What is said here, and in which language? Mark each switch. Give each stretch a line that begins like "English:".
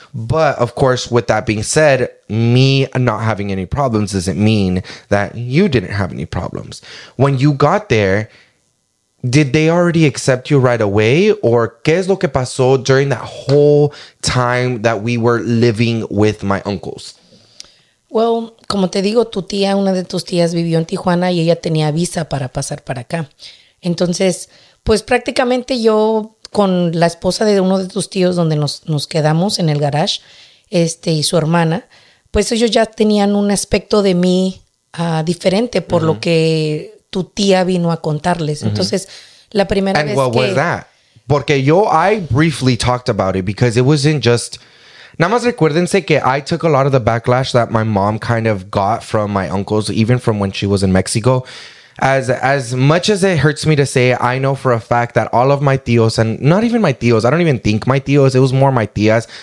English: But, of course, with that being said, me not having any problems doesn't mean that you didn't have any problems. When you got there, did they already accept you right away? Or,
Spanish: ¿qué es lo que pasó
English: during that whole time that we were living with my uncles? Well,
Spanish: como te digo, tu tía, una de tus tías vivió en Tijuana y ella tenía visa para pasar para acá. Entonces, pues prácticamente yo con la esposa de uno de tus tíos donde nos quedamos en el garage, y su hermana, pues ellos ya tenían un aspecto de mí diferente por lo que tu tía vino a contarles. Entonces, la primera
English: And
Spanish: vez
English: what
Spanish: que...
English: was that?
Spanish: Porque yo,
English: I briefly talked about it because it wasn't just...
Spanish: Nada más recuérdense que
English: I took a lot of the backlash that my mom kind of got from my uncles, even from when she was in Mexico. As much as it hurts me to say, I know for a fact that all of my tíos, and not even my tíos, I don't even think my tíos, it was more my tías.